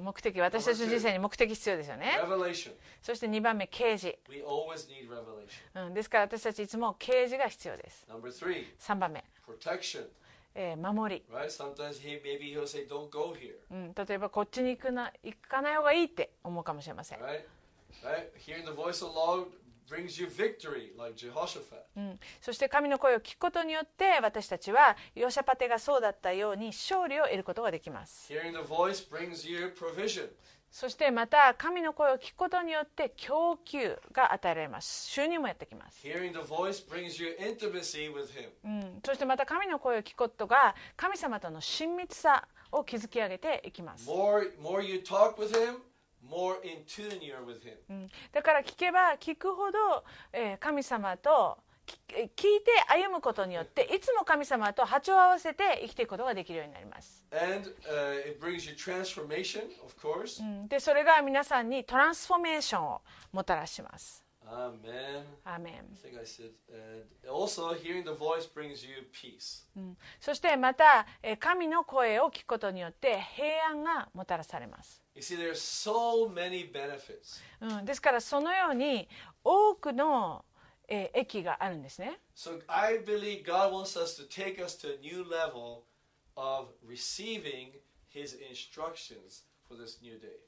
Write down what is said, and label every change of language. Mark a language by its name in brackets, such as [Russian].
[Japanese] 目的、私たちの人生に目的必要ですよね。 [English] Revelation. [Japanese] そして2番目、啓示。 [English] We always need revelation. [Japanese] ですから私たちいつも啓示が必要です。 [English] Number three. [Japanese] 3番目、 [English] Protection. [Japanese] 守り、 [English] right? Sometimes he, maybe he'll say, Don't go here. [Japanese] 例えばこっちに行かない方がいいって思うかもしれません。 [English] right? Hearing the voice of the Lord brings you victory, like Jehoshaphat. [Japanese] そして神の声を聞くことによって私たちはヨシャパテがそうだったように勝利を得ることができます。 [English] Hearing the voice brings you provision. [Japanese] そしてまた神の声を聞くことによって供給が与えられます。収入もやってきます。 [English] Hearing the voice brings you intimacy with him. [Japanese] そしてまた神の声を聞くことが神様との親密さを築き上げていきます。 [English] more you talk with himMore in tune you're with him. [Japanese] だから聞けば聞くほど、神様と聞いて歩むことによっていつも神様と波長を合わせて生きていくことができるようになります。 [English] And, it brings you transformation, of course. [Japanese] でそれが皆さんにトランスフォーメーションをもたらします。 [English] Amen. Amen. I think I said, also hearing the voice brings you peace. [Japanese] そしてまた神の声を聞くことによって平安がもたらされます。 [English] You see, there are so many benefits. [Japanese] ですからそのように多くの益があるんですね。 [English] So I believe God wants us to take us to a new level of receiving His instructions for this new day.